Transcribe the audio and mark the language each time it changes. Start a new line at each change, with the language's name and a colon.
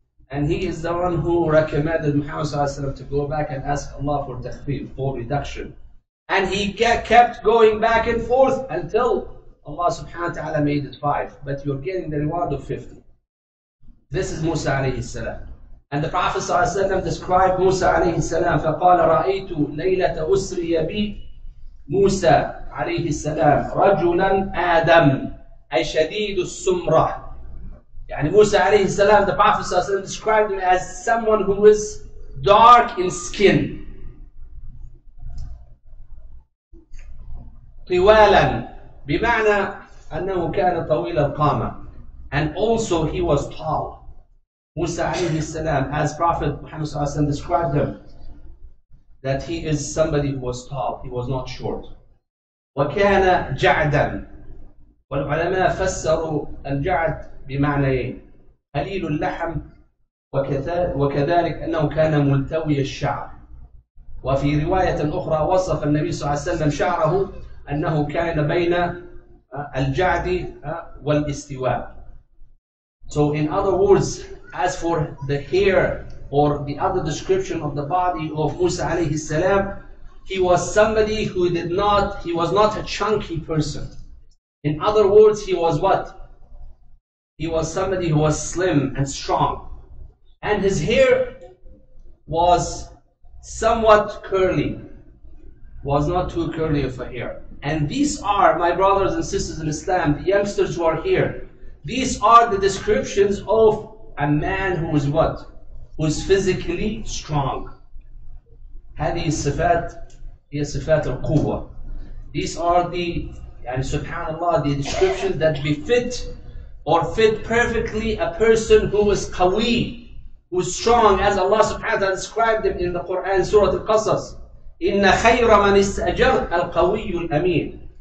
English: And he is the one who recommended Muhammad صلى الله عليه وسلم to go back and ask Allah for takhfif, for reduction. And he kept going back and forth until Allah subhanahu wa ta'ala made it 5. But you're getting the reward of 50. This is Musa عليه السلام. And the Prophet صلى الله عليه وسلم described Musa عليه السلام,
Arabic: فَقَالَ رَأَيْتُ لَيْلَةَ أُسْرِيَ بِي مُوسَى عَلَيْهِ السَّلَامُ رَجُلًا آدَمُ أَيْ شَدِيدُ السُّمْرَةِ.
English: يعني موسى عليه السلام, the Prophet صلى الله عليه وسلم described him as someone who is dark in skin.
Arabic: طوالاً, بمعنى أنه كان طويل القامة.
English: And also he was tall. موسى عليه السلام, as Prophet Muhammad صلى الله عليه وسلم described him, that he is somebody who was tall, he was not short.
Arabic: وكان جعداً. والعلماء فسروا الجعد بمعنى قليل اللحم, وكذلك أنه كان ملتوي الشعر. وفي رواية أخرى وصف النبي صلى الله عليه وسلم شعره أنه كان بين الجعد والاستواء.
English: So in other words, as for the hair or the other description of the body of Musa عليه السلام, he was somebody who did not, he was not a chunky person. In other words, he was what? He was somebody who was slim and strong. And his hair was somewhat curly, was not too curly of a hair. And these are, my brothers and sisters in Islam, the youngsters who are here, these are the descriptions of a man who is what? Who is physically strong.
Arabic: هذه الصفات هي صفات القوة.
English: These are the, and subhanAllah, the description that befit or fit perfectly a person who is qawi, who is strong, as Allah subhanahu wa ta'ala described him in the Quran, Surah Al-Qasas.
Arabic: إِنَّ خَيْرَ مَنِ اسْتَأْجَرْتَ الْقَوِيُّ الْأَمِينُ.